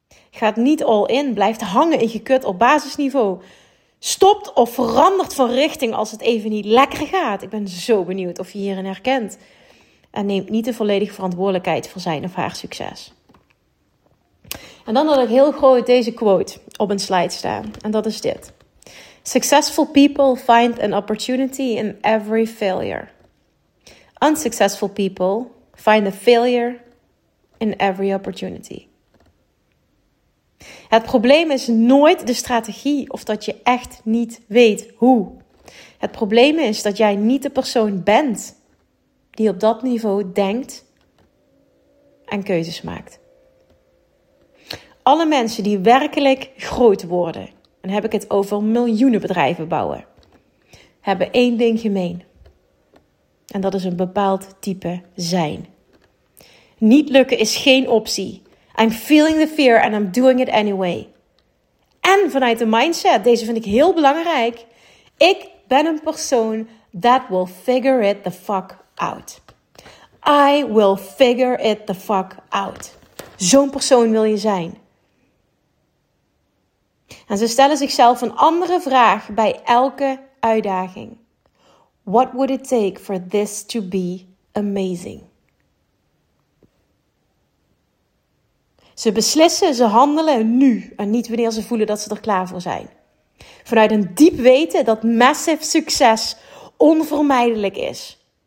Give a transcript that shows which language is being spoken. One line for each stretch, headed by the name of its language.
Dutch: Gaat niet all in, blijft hangen in gekut op basisniveau. Stopt of verandert van richting als het even niet lekker gaat. Ik ben zo benieuwd of je hierin herkent. En neemt niet de volledige verantwoordelijkheid voor zijn of haar succes. En dan had ik heel groot deze quote op een slide staan. En dat is dit.
English: Successful people find an opportunity in every failure. Unsuccessful people find a failure in every opportunity.
Dutch: Het probleem is nooit de strategie of dat je echt niet weet hoe. Het probleem is dat jij niet de persoon bent die op dat niveau denkt en keuzes maakt. Alle mensen die werkelijk groot worden, en heb ik het over miljoenen bedrijven bouwen, hebben één ding gemeen. En dat is een bepaald type zijn. Niet lukken is geen optie.
English: I'm feeling the fear and I'm doing it anyway.
Dutch: En vanuit de mindset, deze vind ik heel belangrijk. Ik ben een persoon
English: that will figure it the fuck out. I will figure it the fuck out.
Dutch: Zo'n persoon wil je zijn. En ze stellen zichzelf een andere vraag bij elke uitdaging.
English: What would it take for this to be amazing?
Dutch: Ze beslissen, ze handelen nu en niet wanneer ze voelen dat ze er klaar voor zijn. Vanuit een diep weten dat massive succes onvermijdelijk is.